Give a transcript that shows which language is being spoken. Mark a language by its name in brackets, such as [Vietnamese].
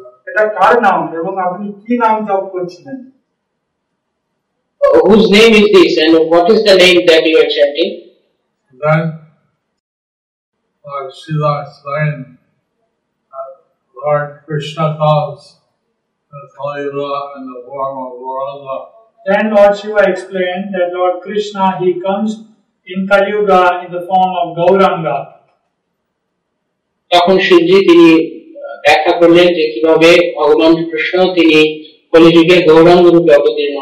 [Bangla] এটা কার নাম এবং আপনি কি নাম জপ করছিলেন? [English] Whose name is this and what is the name that you are chanting? Then, Lord Shiva explained that Lord Krishna comes in the Kali Yuga in the form of Gauranga. Then Lord Shiva explained that Lord Krishna, he comes in Kali Yuga in the form of Gauranga. [Bangla] তখন শিবজি তিনি ব্যাখ্যা করলেন যে কিভাবে ভগবান কৃষ্ণ তিনি কলিযুগে গৌরাঙ্গ রূপে অবতীর্ণ